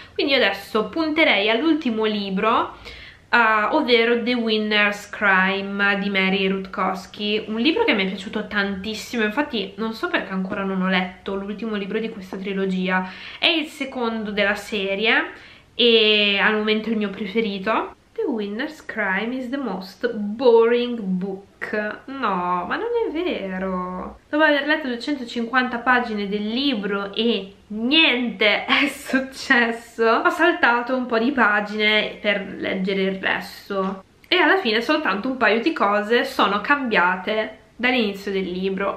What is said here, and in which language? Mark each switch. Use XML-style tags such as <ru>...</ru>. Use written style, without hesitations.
<it>Quindi io adesso punterei all'ultimo libro, ovvero The Winner's Crime di Mary Rutkowski, un libro che mi è piaciuto tantissimo, infatti non so perché ancora non ho letto l'ultimo libro di questa trilogia, è il secondo della serie e al momento il mio preferito.</it> <en>Winner's Crime is the most boring book.</en> <it>No, ma non è vero. Dopo aver letto 250 pagine del libro e niente è successo, ho saltato un po' di pagine per leggere il resto. E alla fine soltanto un paio di cose sono cambiate dall'inizio del libro.</it>